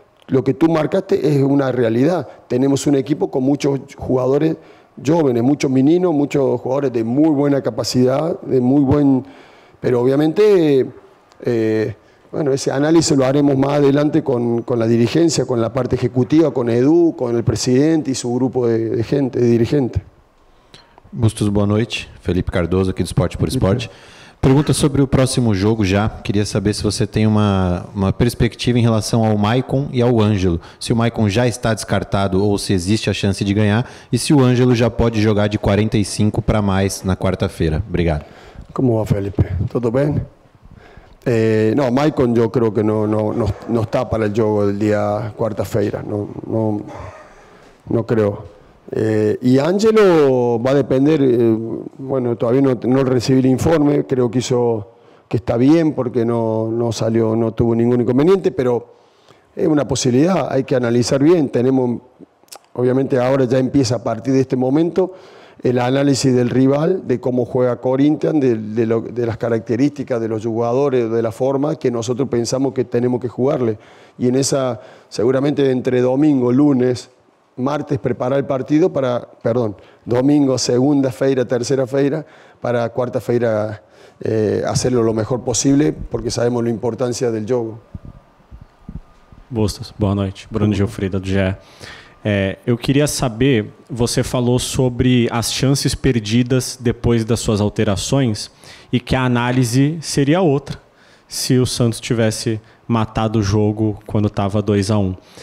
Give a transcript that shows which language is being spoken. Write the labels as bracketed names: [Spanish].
[Spanish] Lo que tú marcaste es una realidad. Tenemos un equipo con muchos jugadores jóvenes, muchos meninos, muchos jugadores de muy buena capacidad, pero obviamente, ese análisis lo haremos más adelante con la dirigencia, con la parte ejecutiva, con Edu, con el presidente y su grupo de gente, de dirigentes. [Portuguese] Bustos, boa noite. Felipe Cardoso aqui do Esporte por Esporte. Pergunta sobre o próximo jogo já. Queria saber se você tem uma perspectiva em relação ao Maicon e ao Ângelo. Se o Maicon já está descartado ou se existe a chance de ganhar. E se o Ângelo já pode jogar de 45 para mais na quarta-feira. Obrigado. Como vai, Felipe? Tudo bem? Não, o Maicon eu creio que não está para o jogo do dia quarta-feira. Não creio. [Spanish] Y Ángelo va a depender, bueno, todavía no recibí el informe, creo que hizo que está bien porque no salió, no tuvo ningún inconveniente, pero es una posibilidad, hay que analizar bien. Tenemos, obviamente ahora ya empieza a partir de este momento el análisis del rival, de cómo juega Corinthians, de las características de los jugadores, de la forma que nosotros pensamos que tenemos que jugarle. Y en esa, seguramente entre domingo, lunes, martes preparar el partido para, perdón, domingo, [Portuguese] segunda feira, [Spanish] tercera feira, para cuarta feira hacerlo lo mejor posible, porque sabemos la importancia del jogo. Bustos, boa noite. Bruno Gilfrida, do GE. Eu queria saber, você falou sobre as chances perdidas depois das suas alterações e que a análise seria outra se o Santos tivesse matado o jogo quando estava 2-1.